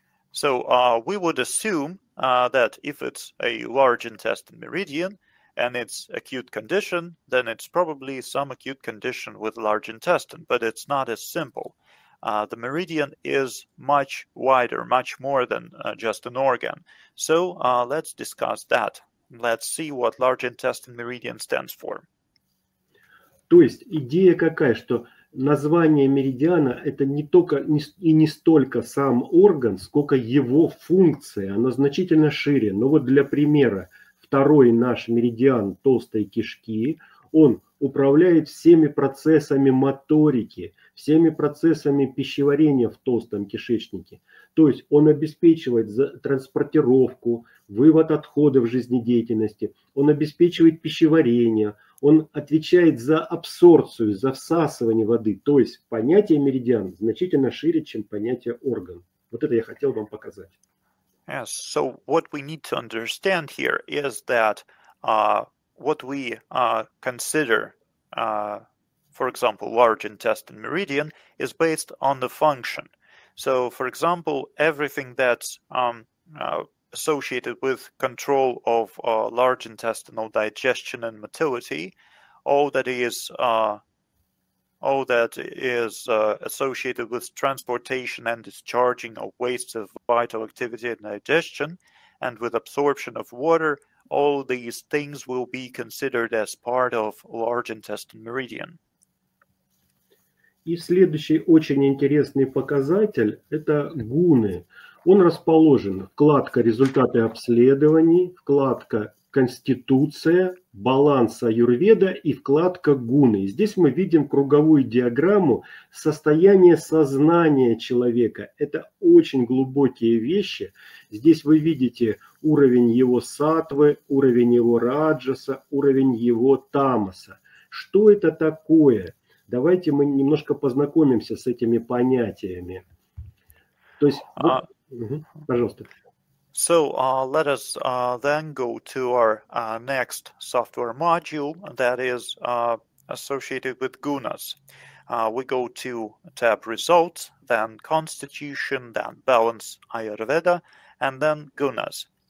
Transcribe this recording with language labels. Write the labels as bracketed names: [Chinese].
[English] So we would assume that if it's a large intestine meridian and it's acute condition, then it's probably some acute condition with large intestine, but it's not as simple. The meridian is much wider, much more than just an organ. So let's discuss that. Let's see what large intestine meridian stands for. [Russian] То есть идея какая, что название меридиана — это не только и не столько сам орган, сколько его функция. Она значительно шире. Но вот для примера, второй наш меридиан толстой кишки, он управляет всеми процессами моторики, всеми процессами пищеварения в толстом кишечнике. То есть он обеспечивает транспортировку, вывод отходов жизнедеятельности, он обеспечивает пищеварение, он отвечает за абсорбцию, за всасывание воды. То есть понятие меридиан значительно шире, чем понятие орган. Вот это я хотел вам показать. [English] Yes, so what we need to understand here is that what we consider, for example, large intestine meridian, is based on the function. So, for example, everything that's associated with control of large intestinal digestion and motility, all that is associated with transportation and discharging of waste of vital activity and digestion, and with absorption of water, all these things will be considered as part of large intestine meridian. [Russian] И следующий очень интересный показатель – это гуны. Он расположен в вкладке «Результаты обследований», вкладка «Конституция», «Баланс аюрведа» и вкладка «Гуны». И здесь мы видим круговую диаграмму состояния сознания человека. Это очень глубокие вещи. Здесь вы видите уровень его сатвы, уровень его раджаса, уровень его тамаса. Что это такое? Давайте мы немножко познакомимся с этими понятиями. То есть, пожалуйста. [English] So let us then go to our next software module that is associated with gunas. We go to tab results, then constitution, then balance Ayurveda, and then gunas.